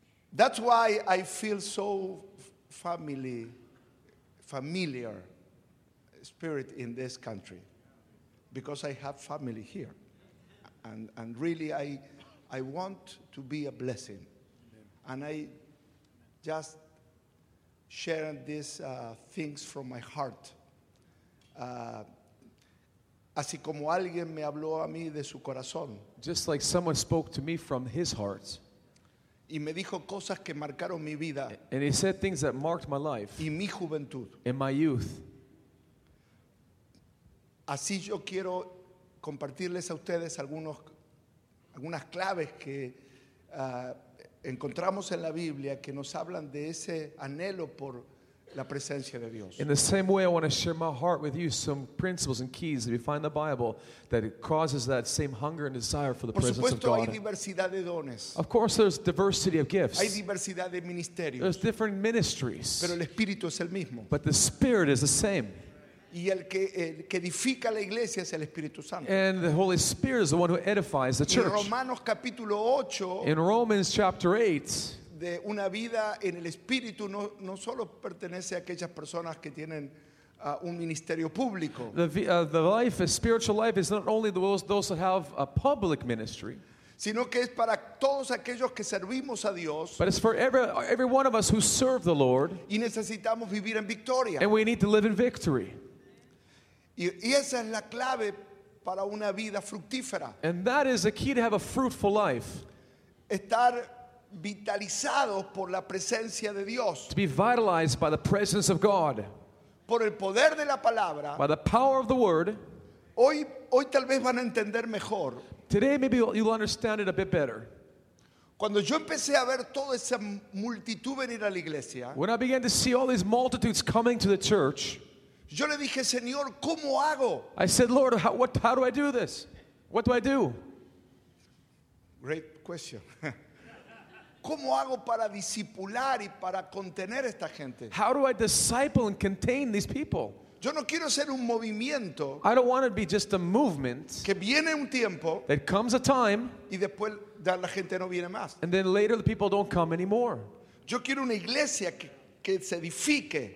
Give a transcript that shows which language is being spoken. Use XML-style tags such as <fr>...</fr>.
<en>That's why I feel so familiar spirit in this country, because I have family here, and really I want to be a blessing, and I just share these things from my heart.</en> <es>Así como alguien me habló a mí de su corazón.</es> <en>Just like someone spoke to me from his heart.</en> <es>Y me dijo cosas que marcaron mi vida.</es> <en>And he said things that marked my life.</en> <es>Y mi juventud.</es> <en>And my youth.</en> <es>Así yo quiero compartirles a ustedes algunas claves que encontramos en la Biblia que nos hablan de ese anhelo por la presencia de Dios.</es> <en>In the same way, I want to share my heart with you some principles and keys that you find in the Bible that it causes that same hunger and desire for the presence</en> <es>Por supuesto, hay diversidad de dones.</es> <en>Of course, there's diversity of gifts.</en> <es>Hay diversidad de ministerios.</es> <en>There's different ministries.</en> <es>Pero el espíritu es el mismo.</es> <en>But the Spirit is the same.</en> <es>Y el que edifica la iglesia es el Espíritu Santo.</es> <en>And the Holy Spirit is the one who edifies the church.</en> <es>En Romanos capítulo 8.</es> <en>In Romans chapter 8.</en> <es>De una vida en el Espíritu no solo pertenece a aquellas personas que tienen un ministerio público.</es> <en>The spiritual life is not only those that have a public ministry,</en> <es>sino que es para todos aquellos que servimos a Dios.</es> <en>But it's for every one of us who serve the Lord.</en> <es>Y necesitamos vivir en victoria.</es> <en>And we need to live in victory.</en> <es>Y esa es la clave para una vida fructífera.</es> <en>And that is the key to have a fruitful life.</en> <es>Estar vitalizados por la presencia de Dios.</es> <en>To be vitalized by the presence of God.</en> <es>Por el poder de la palabra.</es> <en>By the power of the word.</en> <es>Hoy tal vez van a entender mejor.</es> <en>Today maybe you'll understand it a bit better.</en> <es>Cuando yo empecé a ver toda esa multitud venir a la iglesia.</es> <en>When I began to see all these multitudes coming to the church.</en> <es>Yo le dije, Señor, ¿cómo hago?</es> <en>I said, Lord, how do I do this? What do I do? Great question.</en> <es>¿Cómo hago para discipular y para contener esta gente?</es> <en>How do I disciple and contain these people?</en> <es>Yo no quiero ser un movimiento.</es> <en>I don't want to be just a movement.</en> <es>Que viene un tiempo.</es> <en>That comes a time.</en> <es>Y después la gente no viene más.</es> <en>And then later the people don't come anymore.</en> <es>Yo quiero una iglesia que se edifique.</es>